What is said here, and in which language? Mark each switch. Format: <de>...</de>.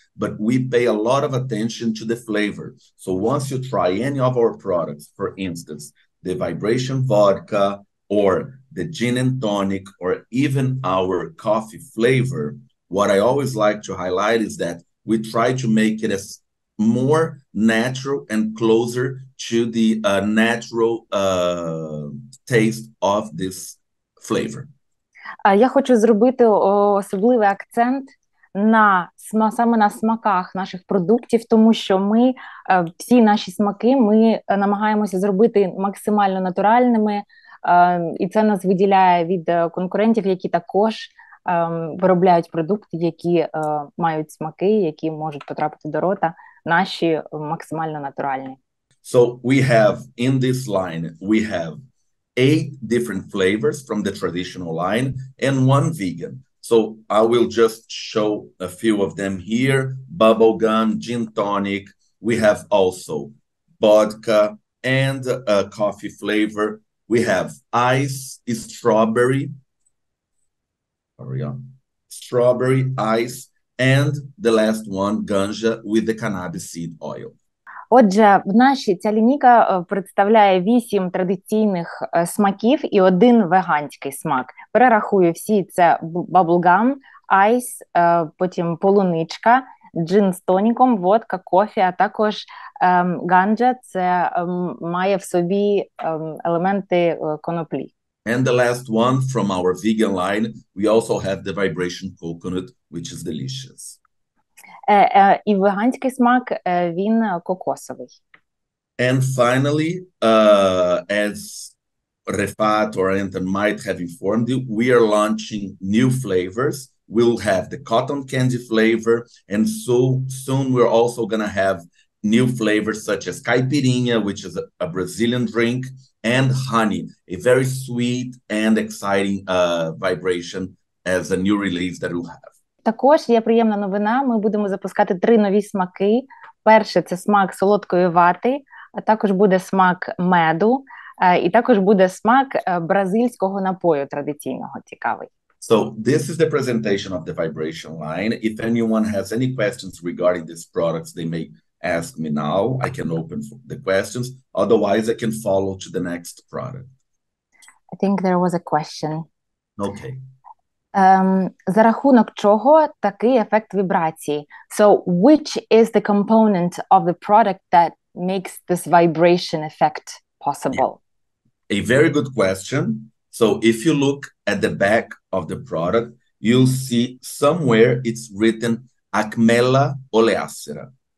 <en>but we pay a lot of attention to the flavor. So once you try any of our products, for instance, the vibration vodka or the gin and tonic or even our coffee flavor, what I always like to highlight is that we try to make it as more natural and closer to the natural taste of this flavor.</en> <uk>Я хочу зробити особливий акцент на саме на смаках наших продуктів, тому що ми всі наші смаки ми намагаємося зробити максимально натуральними, і це нас виділяє від конкурентів, які також виробляють продукти, які мають смаки, які можуть потрапити до рота. Наші максимально натуральні.</uk> <en>So we have in this line, we have 8 different flavors from the traditional line and one vegan. So I will just show a few of them here. Bubblegum, gin tonic. We have also vodka and a coffee flavor. We have ice, strawberry. Strawberry, ice. And the last one, ganja with the cannabis seed oil.</en> <uk>Отже, в нашій ця лінійка представляє 8 традиційних смаків і один веганський смак. Перерахую всі: це bubblegum, ice, потім полуничка, джин з тоніком, водка, кофе, а також ганджа. Це має в собі елементи коноплі.</uk> <en>And the last one from our vegan line, we also have the vibration coconut, which is delicious.</en> <uk>І веганський смак, він кокосовий.</uk> <en>And finally, as Refat or Anton might have informed you, we are launching new flavors. We'll have the cotton candy flavor, and soon we're also going to have new flavors such as caipirinha, which is a Brazilian drink, and honey, a very sweet and exciting vibration as a new release that we'll have.</en> <uk>Також є приємна новина. Ми будемо запускати 3 нові смаки. Перший – це смак солодкої вати, а також буде смак меду, і також буде смак бразильського напою традиційного. Цікавий.</uk> <en>So this is the presentation of the vibration line. If anyone has any questions regarding these products, they may ask me now. I can open the questions. Otherwise, I can follow to the next product. I think there was a question. Okay.</en> <uk>За рахунок чого такий ефект вібрації?</uk> <en>So which is the component of the product that makes this vibration effect possible? Yeah. A very good question. So if you look at the back of the product, you'll see somewhere it's written Acmella oleacera.</en>